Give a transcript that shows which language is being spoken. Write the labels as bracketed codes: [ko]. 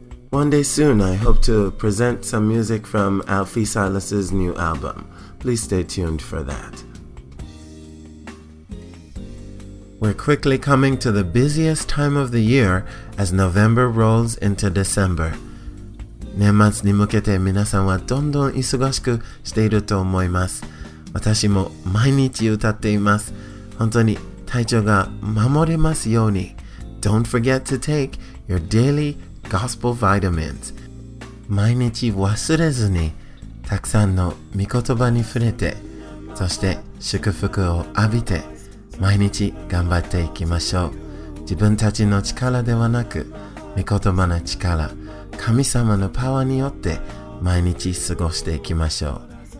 [en] One day soon, I hope to present some music from Alfie Silas's new album. Please stay tuned for that. We're quickly coming to the busiest time of the year,As November rolls into December. [ja] 年末に向けて皆さんはどんどん忙しくしていると思います。私も毎日歌っています。本当に体調が守れますように。 [en] Don't forget to take your daily gospel vitamins. [ja] 毎日忘れずにたくさんの御言葉に触れて、そして祝福を浴びて、毎日頑張っていきましょう。自分たちの力ではなく、御言葉の力、神様のパワーによって毎日過ごしていきましょう。